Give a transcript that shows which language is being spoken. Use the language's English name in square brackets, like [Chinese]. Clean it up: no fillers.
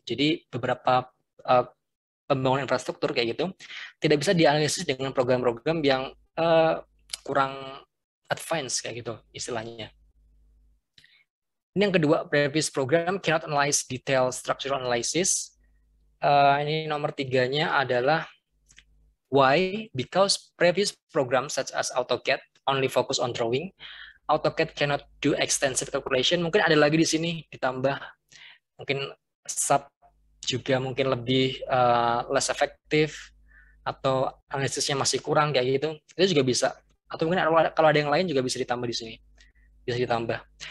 [Indonesian] Jadi beberapa pembangunan infrastruktur kayak gitu tidak bisa dianalisis dengan program-program yang kurang advance kayak gitu istilahnya. Ini yang kedua, [English] previous program cannot analyze detail structural analysis. [Indonesian] Ini nomor tiganya adalah why? [English] Because previous program such as AutoCAD only focus on drawing. AutoCAD cannot do extensive calculation. [Indonesian] Mungkin ada lagi di sini ditambah, mungkin sub juga mungkin lebih less effective atau analisisnya masih kurang kayak gitu. Itu juga bisa. Atau mungkin kalau ada yang lain juga bisa ditambah di sini. Bisa ditambah.